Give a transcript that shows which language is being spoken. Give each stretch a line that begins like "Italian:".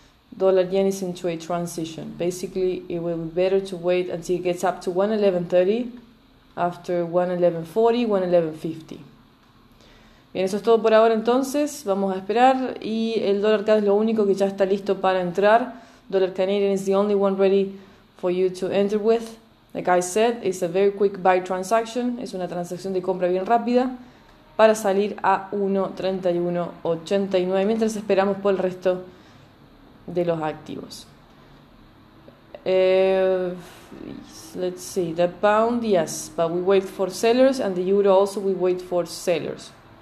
English: Dólar yen is into a transition. Basically, it will be better to wait until it gets up to 111.30 after 111.40, 111.50.
Spanish: Bien, eso es todo por ahora entonces. Vamos a esperar. Y el dólar CAD es lo único que ya está listo para entrar.
English: Dollar Canadian is the only one ready for you to enter with. Like I said, it's a very quick buy transaction.
Spanish: Es una transacción de compra bien rápida para salir a 1.3189 mientras esperamos por el resto de los activos.
English: Let's see. The pound, yes. But we wait for sellers. And the euro also, we wait for sellers.